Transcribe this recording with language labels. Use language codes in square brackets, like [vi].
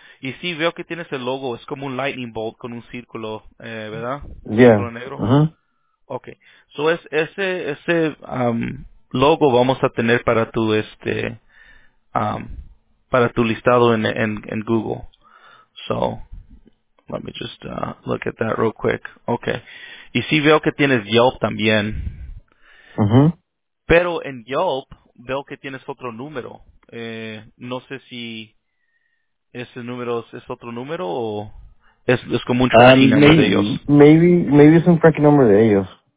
[es] Y sí, veo que tienes el logo, es como un [en] lightning bolt [es] con un círculo, ¿verdad? Yeah. Un círculo negro. Uh-huh. Okay. So es ese logo vamos a tener para tu para tu listado en Google. [en] So let me just look at that real quick. [es] Okay. Y sí veo que tienes Yelp también. Pero en Yelp veo que tienes otro número. No sé si ese número es otro número o es como un tracking number de ellos. [en] Maybe [es] es un tracking number de ellos.